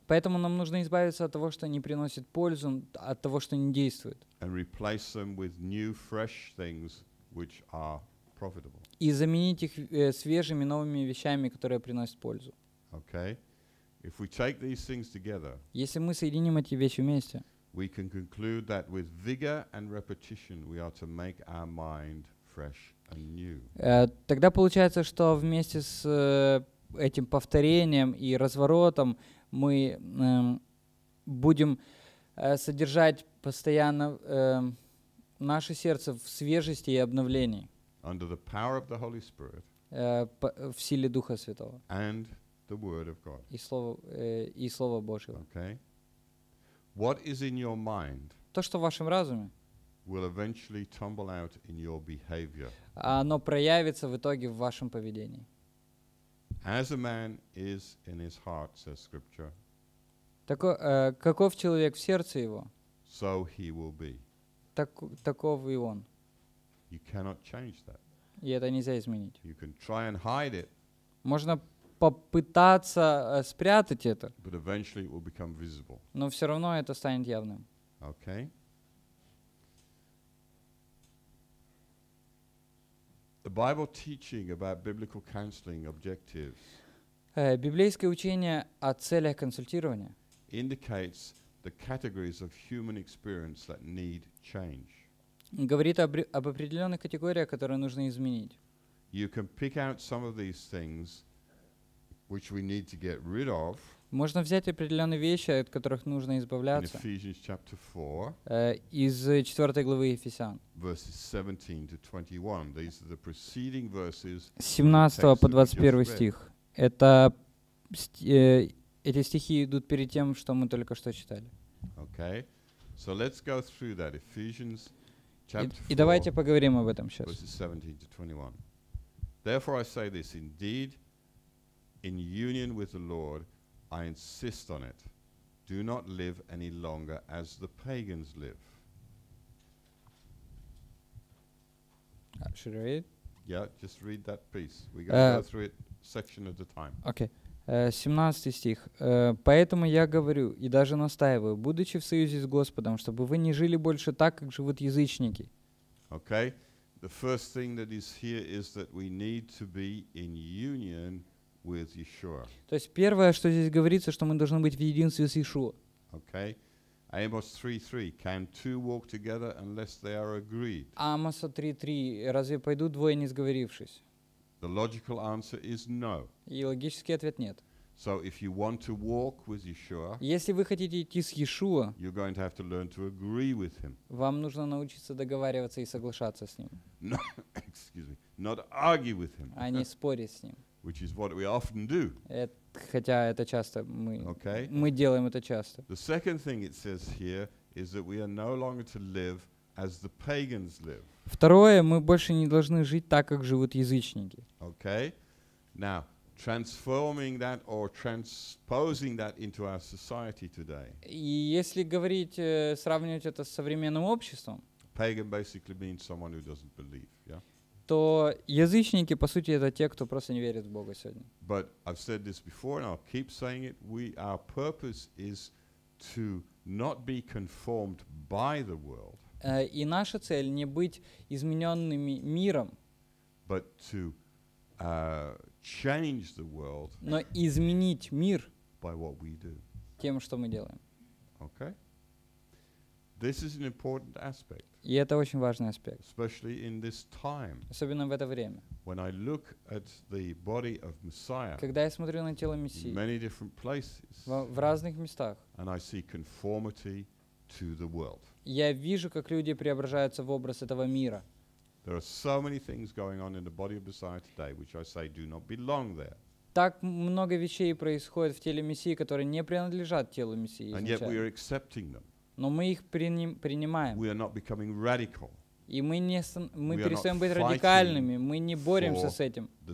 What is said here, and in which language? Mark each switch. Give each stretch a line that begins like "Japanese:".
Russian: Поэтому нам нужно избавиться от того, что не приносит пользу, от того, что не действует.
English: And replace them with new, fresh things which are profitable.
Russian: И заменить их свежими новыми вещами, которые приносят пользу.
English: Okay. If we take these things together,
Russian: если мы соединим эти вещи вместе,
English: we can conclude that with vigor and repetition we are to make our mind fresh and new.
Russian: Тогда получается, что вместе с этим повторением и разворотом мы будем содержать постоянно наше сердце в свежести и обновлении.
English: Under the power of the Holy Spirit,
Russian: в силе Духа Святого.
English: And the Word of God.
Russian: И Слово Божьего.
English: Okay. What is in your mind?
Russian: То, что в вашем разуме.
English: Will eventually tumble out in your behavior.
Russian: Оно проявится в итоге в вашем поведении.
English: As a man is in his heart, says Scripture.
Russian: Каков человек в сердце его?
English: So he will be.
Russian: Таков и он.
English: You cannot change that.
Russian: И это нельзя изменить.
English: You can try and hide it.
Russian: Можно попытаться спрятать это.
English: But eventually it will become visible.
Russian: Но все равно это станет явным.
English: Okay. The Bible teaching about biblical counseling objectives.
Russian: Библейское учение о целях консультирования.
English: Indicates the categories of human experience that need change.
Russian: Говорит об определенных категориях, которые нужно изменить.
English: You can pick out some of these things which we need to get rid of.
Russian: Можно взять определенные вещи, от которых нужно избавляться.
English: In Ephesians chapter 4,
Russian: из 4 главы Ефесян.
English: Verses 17 to 21. These are the preceding verses.
Russian: 17 по 21 стих. Это эти стихи идут перед тем, что мы только что читали.
English: Okay. So let's go through that. Ephesians chapter 4.
Russian: И давайте поговорим об этом сейчас.
English: Verses 17 to 21. Therefore I say this, indeed, in union with the Lord, I insist on it. Do not live any longer as the pagans live. Should I read? Yeah, just read that piece. We're going to go through it section at a time.
Russian: Okay. 17 стих. «Поэтому я говорю и даже настаиваю, будучи в союзе с Господом, чтобы вы не жили больше так, как живут язычники».
English: Okay. The first thing that is here is that we need to be in union with Yeshua.
Russian: То есть первое, что здесь говорится, что мы должны быть в единстве с Иешуа.
English: Okay. Amos 3:3. Can two walk together unless they are agreed?
Russian: Амоса 3:3. Разве пойдут двое, не сговорившись?
English: The logical answer is no.
Russian: И логический ответ нет.
English: So if you want to walk with Yeshua,
Russian: если вы хотите идти с Иешуа,
English: you're going to have to learn to agree with him.
Russian: Вам нужно научиться договариваться и соглашаться с ним.
English: No, excuse me. Not argue with him.
Russian: А не спорить с ним.
English: Which is what we often do.
Russian: Хотя это часто мы, okay. Мы делаем это часто.
English: The second thing it says here is that we are no longer to live as the pagans live.
Russian: Второе, мы больше не должны жить так, как живут язычники.
English: Okay. Now, transforming that or transposing that into our society today.
Russian: И если говорить, сравнивать это с современным обществом.
English: Pagan basically means someone who doesn't believe, yeah?
Russian: То язычники, по сути, это те, кто просто не верит в Бога сегодня.
English: But I've said this before and I'll keep saying it. Our purpose is to not be conformed by the world.
Russian: И наша цель не быть измененными миром.
English: But to change the world.
Russian: Но изменить мир.
English: By what we do.
Russian: Тем, что мы делаем.
English: Okay. This is an important aspect.
Russian: И это очень важный аспект.
English: Especially in this time.
Russian: Особенно в это время.
English: When I look at the body of Messiah.
Russian: Когда я смотрю на тело Мессии.
English: In many different places.
Russian: В разных местах.
English: And I see conformity to the world.
Russian: Я вижу, как люди преображаются в образ этого мира.
English: There are so many things going on in the body of Messiah today, which I say do not belong there.
Russian: Так много вещей происходит в теле Мессии, которые не принадлежат телу Мессии.
English: And yet we are accepting them.
Russian: Но мы их принимаем.
English: We are not becoming radical.
Russian: И мы перестаем быть радикальными, мы не боремся с этим.